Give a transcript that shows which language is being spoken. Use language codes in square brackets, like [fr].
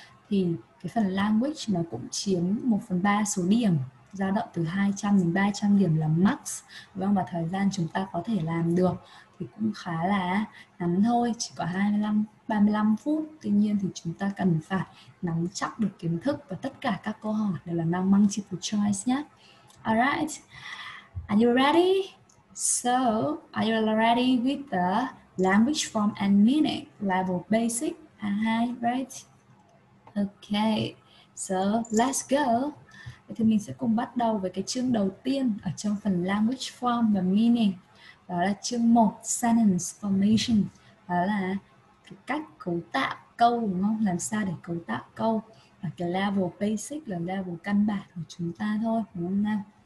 [vi] Thì cái phần language nó cũng chiếm 1 phần 3 số điểm, dao động từ 200 đến 300 điểm là max. Vâng, và thời gian chúng ta có thể làm được thì cũng khá là ngắn thôi, chỉ có 25 35 phút. Tuy nhiên thì chúng ta cần phải nắm chắc được kiến thức và tất cả các câu hỏi đều là multiple choice nhé. [en] Alright, are you ready? So, are you ready with the language form and meaning level basic? Right? Okay, so let's go. [vi] Thì mình sẽ cùng bắt đầu với cái chương đầu tiên ở trong phần language form và meaning. Đó là chương 1, sentence formation. Đó là cái cách cấu tạo câu, đúng không? Làm sao để cấu tạo câu. Và cái level basic là level căn bản của chúng ta thôi, đúng không nào?